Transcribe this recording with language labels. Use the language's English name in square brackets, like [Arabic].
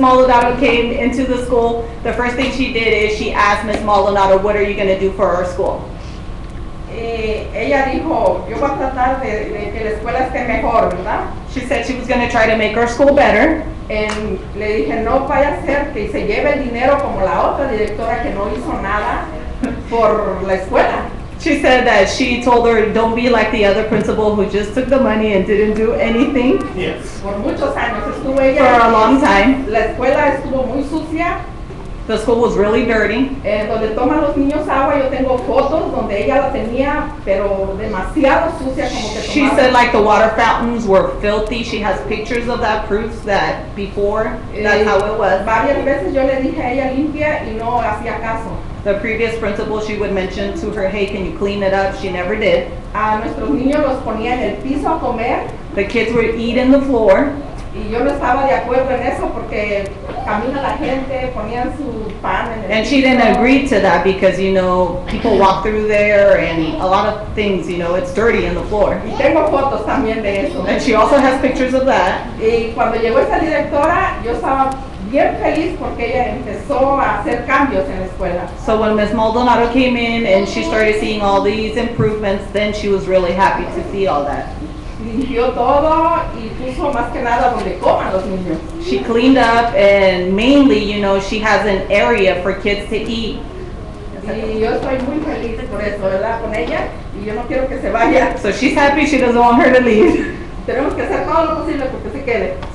[English] Maldonado came into the school, the first thing she did is she asked Ms. Maldonado, what are you going to do for our school? [Spanish] Ella dijo, yo voy a tratar de que la escuela esté mejor, ¿verdad? [English] She said she was going to try to make our school better. And [Spanish] le dije, no vaya a ser que se lleve el dinero como la otra directora que no hizo nada por la escuela. [English] She said that she told her, don't be like the other principal who just took the money and didn't do anything. Yes. [Spanish] Por muchos años estuvo ella. [English] For a long time. [Spanish] La escuela estuvo muy sucia. [English] The school was really dirty. [Spanish] Donde toman los niños agua, yo tengo fotos donde ella la tenía, pero demasiado sucia como que tomaba. [English] She said like the water fountains were filthy. She has pictures of that, proofs that before, that's how it was. [Spanish] Varias veces yo le dije a ella limpia y no hacía caso. [English] The previous principal, she would mention to her, hey, can you clean it up? She never did. [Spanish] A nuestros niños los ponía en el piso a comer. [English] The kids would eat in the floor. [Spanish] Y yo no estaba de acuerdo en eso porque camina la gente, ponían su pan en el [English] And she didn't agree to that because, you know, people walk through there and a lot of things, you know, it's dirty in the floor. [Spanish] Y tengo fotos también de eso. [English] And she also has pictures of that. [Spanish] Y cuando llegó esa directora, yo estaba bien feliz porque ella empezó a hacer cambios en la escuela. [English] So when Ms. Maldonado came in and she started seeing all these improvements, then she was really happy to see all that. [Spanish] Limpió todo y puso más que nada donde coman los niños. [English] She cleaned up and mainly, you know, she has an area for kids to eat. [Spanish] Y yo estoy muy feliz por eso, ¿verdad? Con ella. Y yo no quiero que se vaya. [English] So she's happy, she doesn't want her to leave. [Spanish] Tenemos que hacer todo lo posible porque se quede.